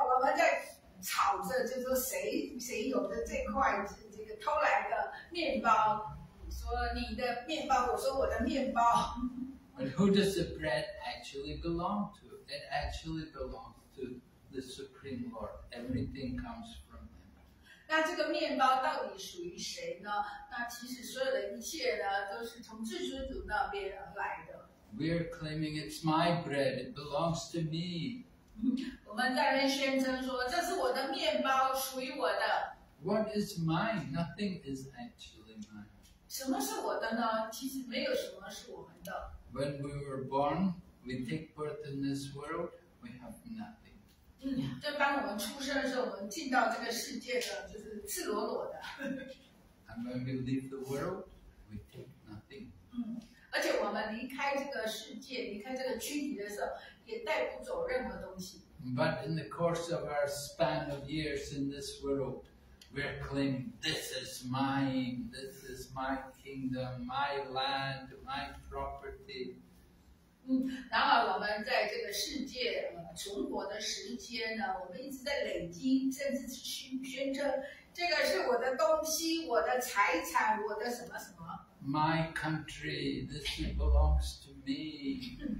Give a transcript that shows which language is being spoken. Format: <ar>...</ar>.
<zh>我们在吵着，就是说谁有的这块这个偷来的面包，说你的面包，我说我的面包。</zh> <en>And who does the bread actually belong to? It actually belongs to the Supreme Lord. Everything comes from Him.</en> <zh>那这个面包到底属于谁呢？那其实所有的一切呢，都是从至尊主那边而来的。</zh> <en>We are claiming it's my bread, it belongs to me.</en> <zh>我们在那宣称说，这是我的面包，属于我的。</zh> <en>What is mine? Nothing is actually mine.</en> <zh>什么是我的呢？其实没有什么是我们的。</zh> <en>When we were born, we take birth in this world, we have nothing.</en> <zh>当我们出生的时候，我们进到这个世界的就是赤裸裸的。 A</zh> <en>And when we leave the world, we take nothing.</en> <zh>而且我们离开这个世界，离开这个躯体的时候，也带不走任何东西。</zh> <en>But in the course of our span of years in this world, we're claiming, this is my kingdom, my land, my property.</en> <zh>然而我们在这个世界存活的时间呢，我们一直在累积，甚至去宣称，这个是我的东西，我的财产，我的什么什么。</zh> <en>My country, this belongs to me.</en>